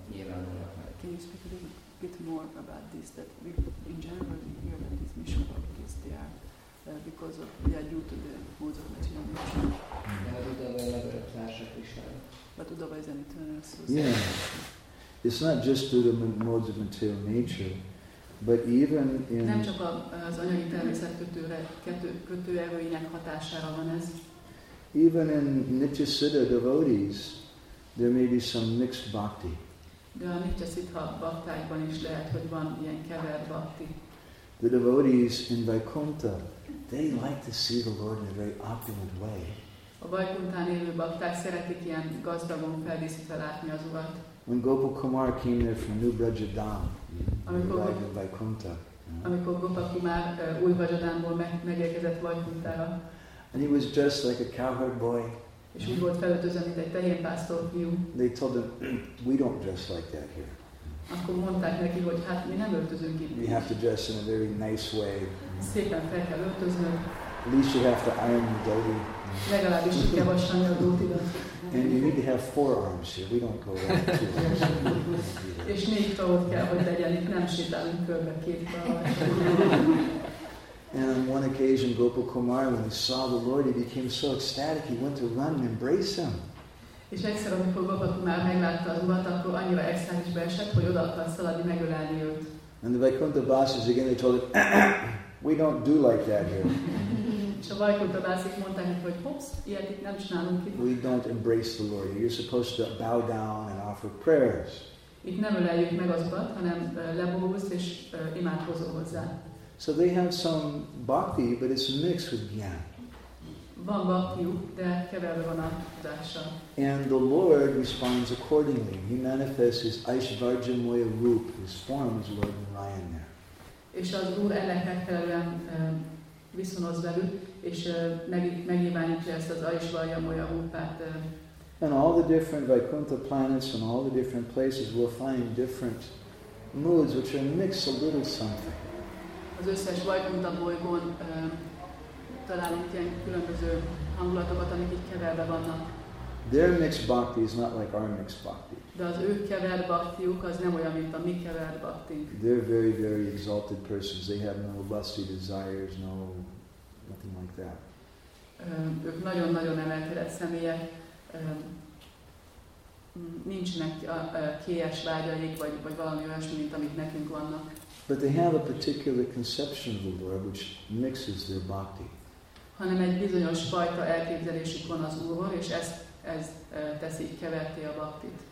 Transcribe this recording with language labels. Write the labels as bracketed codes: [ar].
[en] can you speak a little bit more about this? That we, in general, we hear that these Misha Bhaktis, they are because of, they are due to the modes of material nature. Mm-hmm. But Udava is an eternal source. Yeah. It's not just due to modes of material nature, but even in. [hu] Nem csak az anyagi természet kötő erőinek hatására van ez. [en] Even in Nitya Siddha devotees, there may be some mixed bhakti. [hu] De a Nitya Siddha baktáikban is lehet, hogy van ilyen kevert bhakti. [en] The devotees in Vaikuntha, they like to see the Lord in a very opulent way. [hu] A Vaikunthán élő bakták szeretik ilyen gazdagon feldíszítve látni az Urat. [en] when Gopal Kumar came there from New Brajadam, arrived in Vaikuntha. [hu] Amikor Gopal Kumar új Vajadámból megérkezett Vajkuntára. [en] And he was dressed like a cowherd boy. [hu] És úgy volt felöltözve, mint egy tehénpásztor fiú. [en] They told him, we don't dress like that here. [hu] Akkor mondták neki, hogy hát mi nem öltözünk itt. [en] We have to dress in a very nice way. [hu] Szépen fel kell öltöznünk. [en] At least you have to iron your dhoti. [hu] Legalábbis ki kell vasalni a dhotidat. [en] And you need to have forearms here. We don't go around two arms. [hu] És négy tovot kell, hogy legyen itt. Nem sétálunk körbe két [en] And on one occasion, Gopal Kumar, when he saw the Lord, he became so ecstatic, he went to run and embrace him. [hu] És egyszer, amikor Gopal Kumar meglátta az urat, akkor annyira extázisba esett, hogy oda akart szaladni, megölelni őt. [en] And the Vaikuntha Vasis again, they told him, we don't do like that here. [hu] És a Vaikuntha Vasik mondták, hogy hopps, ilyet itt nem csinálunk itt. [en] We don't embrace the Lord. You're supposed to bow down and offer prayers. [hu] Itt nem öleljük meg az urat, hanem lebúvulsz és imádkozol hozzá. [en] So they have some bhakti, but it's mixed with jnana. [hu] Van bhaktiuk, de keverve van a tudással. [en] And the Lord responds accordingly. He manifests his Aishvarjamoya rup, his form as Lord Narayan there. [hu] És az Úr ennek megfelelően viszonoz velük, és megnyilvánítja ezt az Aishvarjamoya rupát. [en] And all the different Vaikuntha planets and all the different places will find different moods, which are mixed a little something. [hu] Az összes Vaikuntha bolygón találunk ilyen különböző hangulatokat, amik itt keverve vannak. [en] Their mixed bhakti is not like our mixed bhakti. [hu] De az ők kevert bhaktiuk az nem olyan, mint a mi kevert bhaktink. [en] They're very, very exalted persons. They have no lusty desires, no nothing like that. [hu] Ők nagyon-nagyon emelkedett személyek. Nincsenek kélyes vágyaik, vagy valami olyasmi, mint amik nekünk vannak. [en] But they have a particular conception of the Lord which mixes their bhakti. [hu] Hanem egy bizonyos fajta elképzelésük van az Úrról, és ez teszi keverté a bhaktit.